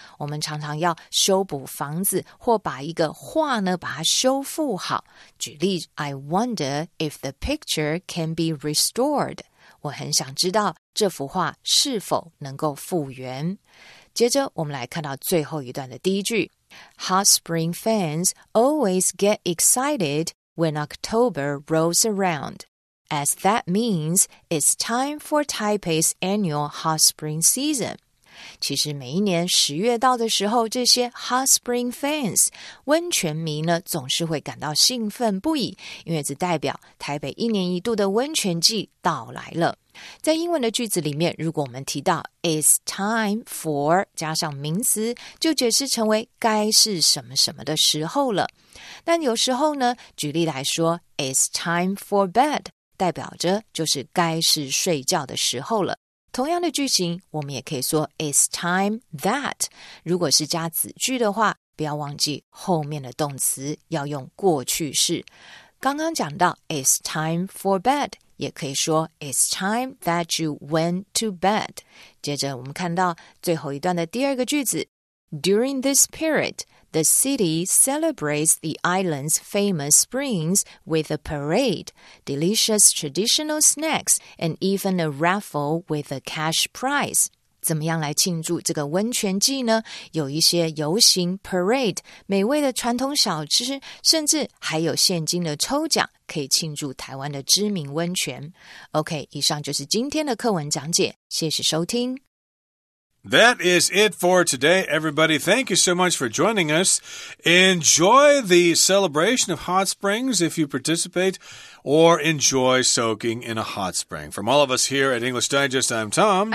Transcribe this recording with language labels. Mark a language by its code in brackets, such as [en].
[zh] 我们常常要修补房子或把一个画呢把它修复好。举例 [en] I wonder if the picture can be restored. [zh] 我很想知道这幅画是否能够复原。接着我们来看到最后一段的第一句。 [en] Hot spring fans always get excited when October rolls around. As that means it's time for Taipei's annual hot spring season. [zh] 其实每一年十月到的时候，这些 [en] hot spring fans [zh] 温泉迷呢，总是会感到兴奋不已，因为这代表台北一年一度的温泉季到来了。在英文的句子里面，如果我们提到 [en] is time for [zh] 加上名词，就解释成为该是什么什么的时候了。但有时候呢，举例来说 [en] is time for bed. [zh] 代表着就是该是睡觉的时候了。同样的句型我们也可以说 [en] It's time that. [zh] 如果是加子句的话，不要忘记后面的动词要用过去式。刚刚讲到 [en] It's time for bed, [zh] 也可以说 [en] It's time that you went to bed. [zh] 接着我们看到最后一段的第二个句子。 [en] During this period,The city celebrates the island's famous springs with a parade, delicious traditional snacks, and even a raffle with a cash prize. [zh] 怎么样来庆祝这个温泉季呢？有一些游行 parade, 美味的传统小吃，甚至还有现金的抽奖，可以庆祝台湾的知名温泉。 OK, 以上就是今天的课文讲解，谢谢收听。 [en] That is it for today, everybody. Thank you so much for joining us. Enjoy the celebration of hot springs if you participate, or enjoy soaking in a hot spring. From all of us here at English Digest, I'm Tom.